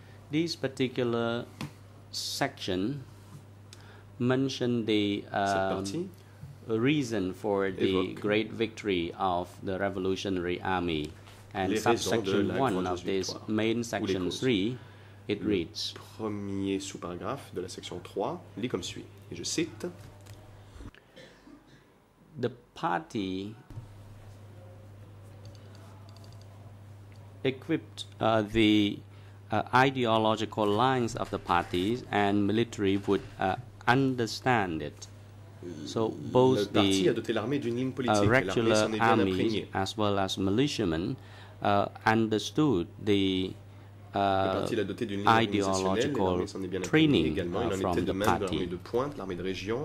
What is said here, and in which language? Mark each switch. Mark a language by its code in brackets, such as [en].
[en] This particular section mentioned the reason for the great victory of the Revolutionary Army. And subsection 1 of this main section 3, it reads, [fr] premier sous-paragraphe de la section 3 lit comme suit, et je cite, [en] the party equipped the ideological lines of the parties and military would understand it. So both the regular army as well as militiamen understood the ideological training from the party.